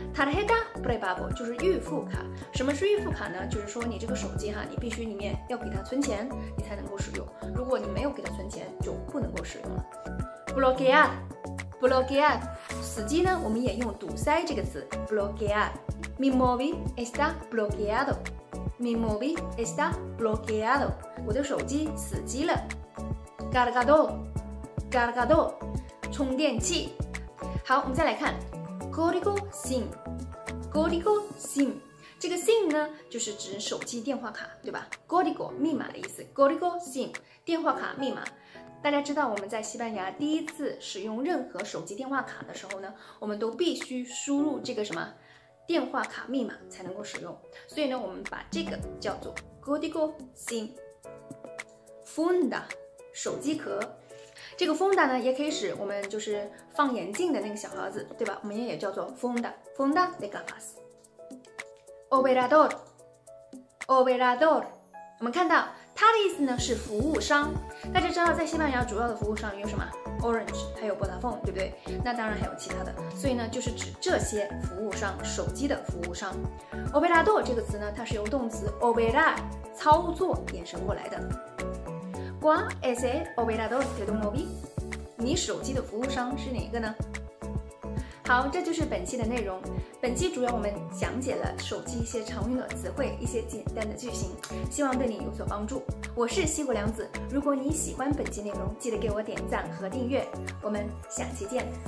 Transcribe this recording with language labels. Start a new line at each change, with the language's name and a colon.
Chinese: tarjeta prepago 就是预付卡。什么是预付卡呢？就是说你这个手机哈，你必须里面要给它存钱你才能够使用，如果你没有给它存钱就不能够使用了。 bloquear， bloquear， 死机呢我们也用堵塞这个词， bloquear。
Spanish: mi móvil está bloqueado， mi móvil está bloqueado，
Chinese: 我的手机死机了。 cargador， cargador， 充电器。好，我们再来看Código SIM， Código SIM， 这个 SIM 呢就是指手机电话卡，对吧？ Código 密码的意思， Código SIM 电话卡密码。大家知道我们在西班牙第一次使用任何手机电话卡的时候呢，我们都必须输入这个什么电话卡密码才能够使用，所以呢我们把这个叫做 Código SIM。 Funda， 手机壳。这个 funda 呢也可以使我们就是放眼镜的那个小盒子，对吧？我们也叫做 funda，
Spanish: funda de gafas。
Chinese: operador， operador， 我们看到它的意思呢是服务商。大家知道在西班牙主要的服务商有什么？Orange 还有 Vodafone， 对不对？那当然还有其他的，所以呢就是指这些服务商，手机的服务商。 operador 这个词呢它是由动词 operar 操作衍生过来的。
Spanish: ¿Cuál es el operador de tu móvil？
Chinese: 你手机的服务商是哪个呢？好，这就是本期的内容。本期主要我们讲解了手机一些常用的词汇，一些简单的句型，希望对你有所帮助。我是西谷良子，如果你喜欢本期内容，记得给我点赞和订阅。我们下期见。